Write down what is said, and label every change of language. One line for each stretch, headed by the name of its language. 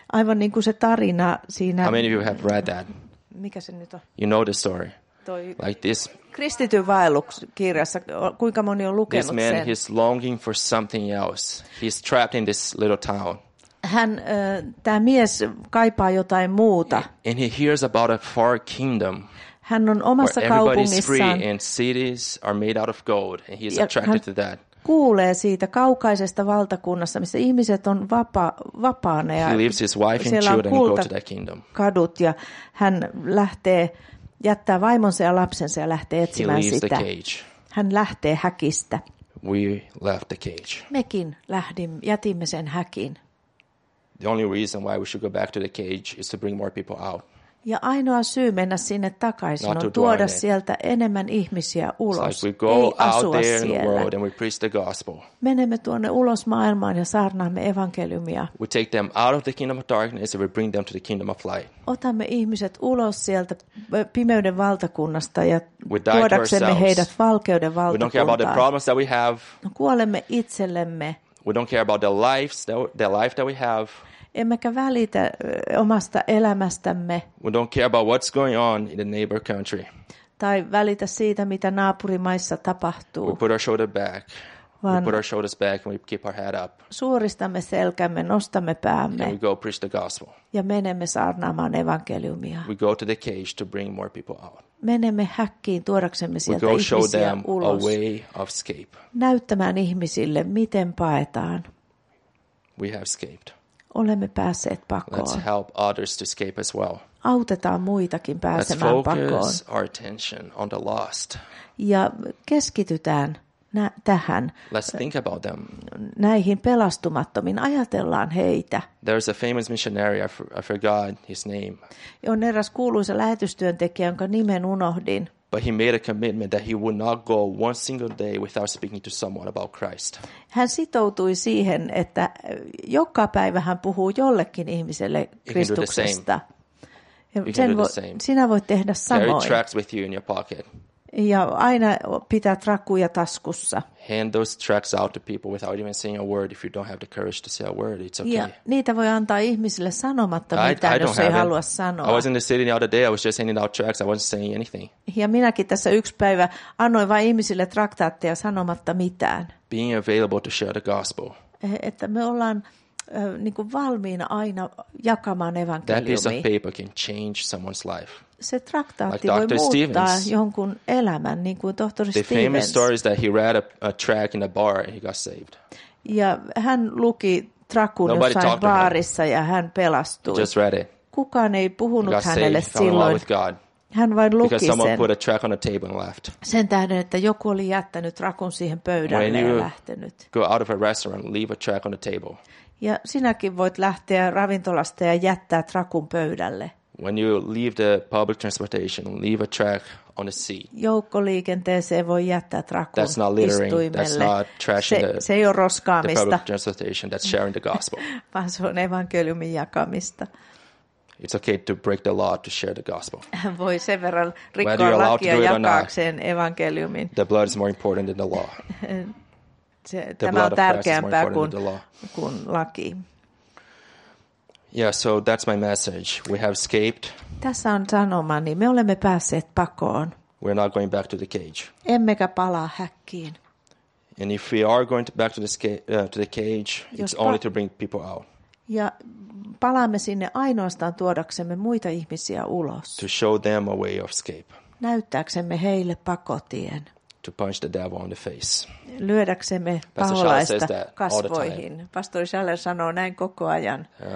Finnish: Aivan niin kuin se tarina siinä.
English: How many of you have read that?
Finnish: Mikä se nyt on?
English: You know the story. Like this.
Finnish: Kristityn vaelluskirjassa, kuinka moni on lukenut sen?
English: This man, he's longing for something else. He's trapped in this little town.
Finnish: Hän, tämä mies kaipaa jotain muuta.
English: And he hears about a far kingdom.
Finnish: Hän on omassa kaupungissaan.
English: Where everybody's free and cities are made out of gold. And he's attracted to that.
Finnish: Kuulee siitä kaukaisesta valtakunnassa, missä ihmiset on vapaana.
English: He leaves his wife and children and go to that kingdom.
Finnish: Kadut ja hän lähtee. Jättää vaimonsa ja lapsensa ja lähtee etsimään sitä. Hän lähtee häkistä.
English: We left the cage.
Finnish: Mekin jätimme sen häkin.
English: The only reason why we should go back to the cage is to bring more people out.
Finnish: Ja ainoa syy mennä sinne takaisin on tuoda sieltä enemmän ihmisiä ulos.
English: It's like we go out there in the world and we preach the gospel.
Finnish: Menemme tuonne ulos maailmaan ja saarnaamme evankeliumia.
English: We take them out of the kingdom of darkness and we bring them to the kingdom of light.
Finnish: Otamme ihmiset ulos sieltä pimeyden valtakunnasta ja tuodaksemme heidät valkeuden valtakuntaan.
English: We don't care about the problems that we have.
Finnish: Kuolemme itsellemme.
English: We don't care about the life that we have.
Finnish: Emmekä välitä omasta elämästämme.
English: We don't care about what's going on in the neighbor country.
Finnish: Tai välitä siitä, mitä naapurimaissa tapahtuu.
English: We put our shoulder back. We put our shoulders back and we keep our head up.
Finnish: Suoristamme selkämme, nostamme päämme.
English: And we go preach the gospel.
Finnish: Ja menemme saarnaamaan evankeliumia.
English: We go to the cage to bring more people out.
Finnish: Menemme häkkiin tuodaksemme sieltä ihmisiä ulos.
English: We go show them a way of escape.
Finnish: Näyttämään ihmisille, miten paetaan.
English: We have escaped.
Finnish: Olemme päässeet pakoon.
English: Let's help others to escape as well.
Finnish: Autetaan muitakin pääsemään pakoon.
English: Let's focus our attention on the lost.
Finnish: Ja keskitytään tähän.
English: Let's think about them.
Finnish: Näihin pelastumattomiin. Ajatellaan heitä.
English: There's a famous missionary, I forgot his name.
Finnish: On eräs kuuluisa lähetystyöntekijä, jonka nimen unohdin.
English: But he made a commitment that he would not go one single day without speaking to someone about Christ.
Finnish: Hän sitoutui siihen, että joka päivä hän puhuu jollekin ihmiselle Kristuksesta. Sinä voit tehdä samoin.
English: Carry tracts with you in your pocket.
Finnish: Ja aina pitää trakkuja taskussa.
English: Hand those tracts out to people without even saying a word if you don't have the courage to say a word. It's okay.
Finnish: Ja niitä voi antaa ihmisille sanomatta mitään, jos ei halua sanoa.
English: I was in the city the other day. I was just handing out tracts. I wasn't saying anything.
Finnish: Ja minäkin tässä yksi päivä annoin vain ihmisille traktaatteja sanomatta mitään.
English: Being available to share the gospel.
Finnish: Että me ollaan niin kuin valmiina aina jakamaan evankeliumia.
English: That piece of paper can change someone's life.
Finnish: se traktaatti like voi muuttaa jonkun elämän, niin kuin tohtori
English: Stevens. The famous story is that he read a track in a bar and he got saved.
Finnish: Ja hän luki trakun jossain baarissa ja hän pelastui.
English: Just read it.
Finnish: Kukaan ei puhunut hänelle silloin. Hän vain luki sen.
English: Put a track on a table and left.
Finnish: Sen tähden, että joku oli jättänyt trakun siihen pöydälle ja lähtenyt.
English: Go out of a restaurant, leave a track on the table.
Finnish: Ja sinäkin voit lähteä ravintolasta ja jättää trakun pöydälle.
English: When you leave the public transportation, leave a track on the seat.
Finnish: Joukkoliikenteeseen voi jättää trakun
English: that's not littering,
Finnish: istuimelle.
English: That's not trashing
Finnish: se ei ole roskaamista.
English: The public transportation, that's sharing the gospel.
Finnish: Vaan se on evankeliumin jakamista.
English: It's okay to break the law to share the gospel.
Finnish: Voi sen verran rikkoa lakia jakaakseen evankeliumin.
English: The blood is more important than the law.
Finnish: Tämä on tärkeämpää kuin laki.
English: Yeah, so that's my message. We have escaped.
Finnish: Tässä on sanomani. Me olemme päässeet pakoon.
English: We're not going back to the cage.
Finnish: Emmekä palaa häkkiin.
English: And if we are going back to the cage, it's only to bring people out.
Finnish: Ja palaamme sinne ainoastaan tuodaksemme muita ihmisiä ulos.
English: To show them a way of escape.
Finnish: Näyttääksemme heille pakotien.
English: To punch the devil in the face.
Finnish: Lyödäksemme paholaista kasvoihin. Pastori Schaller sanoo näin koko ajan.